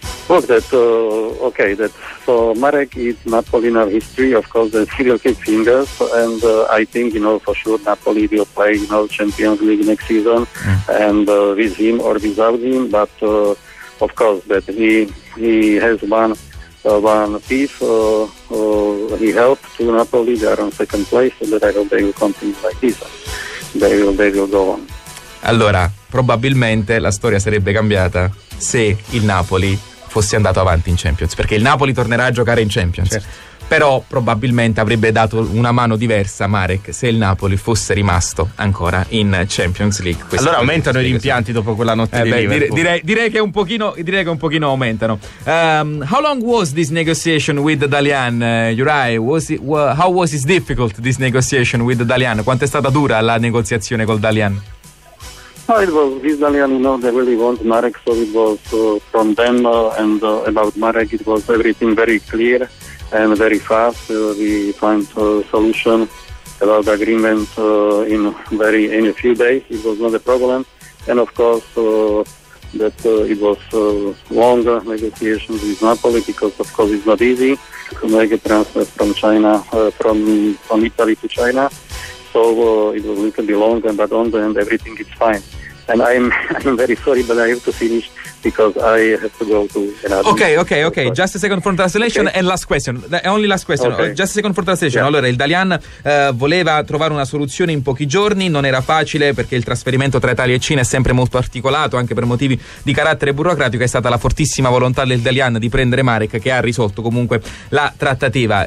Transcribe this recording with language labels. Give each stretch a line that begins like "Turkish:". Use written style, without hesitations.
English: Look, that okay, that so Marek is Napoli in our history, of course, the serial kick fingers, and I think, you know, for sure Napoli will play, you know, Champions League next season, and with him or without him, but of course that he has one piece, he helped to Napoli, they are on second place, so that I hope they will continue like this, they will go on.
Italian: Allora, probabilmente la storia sarebbe cambiata se il Napoli fosse andato avanti in Champions, perché il Napoli tornerà a giocare in Champions, certo. Però probabilmente avrebbe dato una mano diversa a Marek se il Napoli fosse rimasto ancora in Champions League. Questa allora aumentano i rimpianti così. Dopo quella notte di Liverpool. Direi che un pochino aumentano.
English: How long was this negotiation with Dalian, Juraj? How was it difficult, this negotiation with Dalian?
Italian: Quanto è stata dura la negoziazione col Dalian?
English: Well, it was with Dalian, you know, they really want Marek, so it was from them, and about Marek, it was everything very clear and very fast. We find a solution about the agreement in a few days. It was not a problem, and of course that it was longer negotiations with Napoli, because of course it's not easy to make a transfer from China from Italy to China. So it was a little bit longer, but on the end, everything is fine. And I'm very sorry, but I have to finish because I have to go to another. Okay. Just a second for translation, okay. And last question. Only last question. Okay. Just a second for translation. Yeah.
Italian: Allora, il Dalian voleva trovare una soluzione in pochi giorni. Non era facile perché il trasferimento tra Italia e Cina è sempre molto articolato, anche per motivi di carattere burocratico. È stata la fortissima volontà del Dalian di prendere Marek che ha risolto comunque la trattativa.